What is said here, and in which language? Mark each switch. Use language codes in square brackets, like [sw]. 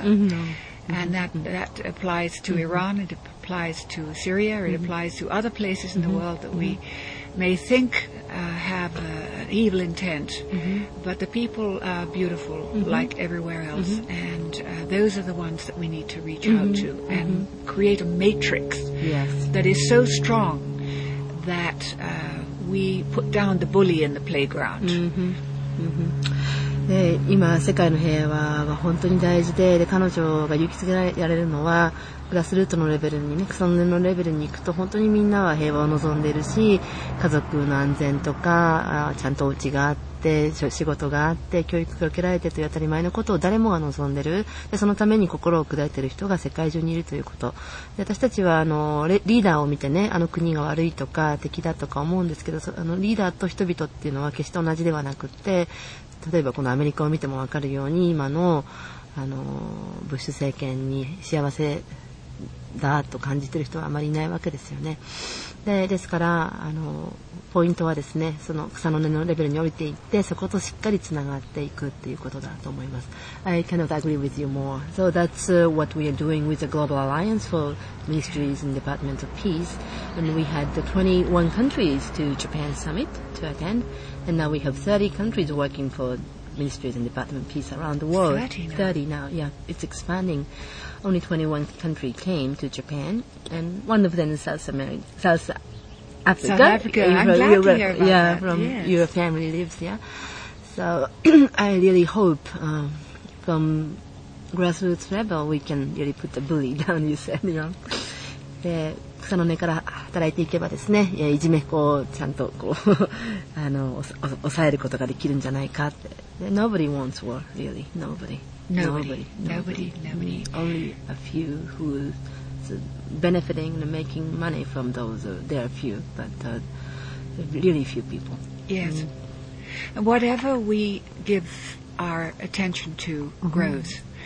[en] And that applies to Iran, it applies to Syria, it applies to other places in the world that we may think have an evil intent, but the people are beautiful like everywhere else, and those are the ones that we need to reach out to and create a matrix that is so strong that we put down the bully in the playground. [ja] で今世界の平和は本当に大事 で彼女が勇気づけられるのはグラスルートのレベルにね、草の根のレベルに行くと本当にみんなは平和を望んでいるし、家族の安全とかちゃんとお家があって仕事があって教育が受けられてという当たり前のことを誰もが望んでいる。でそのために心を砕いている人が世界中にいるということで、私たちはリーダーを見てね、国が悪いとか敵だとか思うんですけど、リーダーと人々っていうのは決して同じではなくって、例えばこのアメリカを見ても分かるように、今のブッシュ政権に幸せだと感じている人はあまりいないわけですよね。ですからポイントはですね、その草の根のレベルに降りていって、そことしっかりつながっていくということだと思います。 [en] I cannot agree with you more. So that's what we are doing with the Global Alliance for Ministries and Departments of Peace, and we had the 21 countries to Japan Summit to attendAnd now we have 30 countries working for ministries and department of peace around the world. 30 now, yeah. It's expanding. Only 21 countries came to Japan. And one of them is South Africa. South Africa. I'm glad to hear about yeah, that. From yes. Your family lives, yeah. So I really hope from grassroots level we can really put the bully down, you said, you know. Yeah. [ja] 草の根から働いていけばですね、 いじめっ子をちゃんとこう抑えることができるんじゃないかって。 [en] Nobody wants war, really. Nobody. Only a few who is benefiting and making money from those. There are few, but really few people. Yes. Whatever we give our attention to grows.